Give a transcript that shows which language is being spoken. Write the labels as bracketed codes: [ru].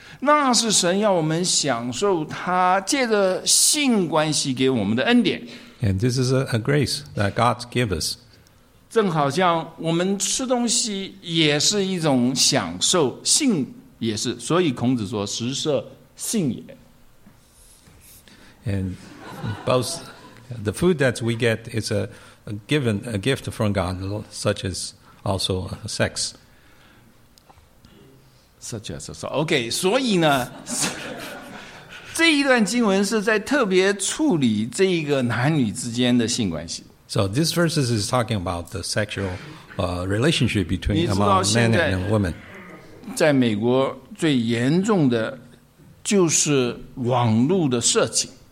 [zh] 那是神要我们享受他借着性关系给我们的恩典。 [en] And this is a grace that God gave us. [zh] 正好像我们吃东西也是一种享受，性也是，所以孔子说食色性也。 [en] And both the food that we get is a gift from God, such as also sex. Such as so. [zh] OK, 所以呢，这一段经文是在特别处理这一个男女之间的性关系。 [en] So this verse is talking about the sexual relationship between among men and women. [zh] 在美国最严重的就是网络的色情。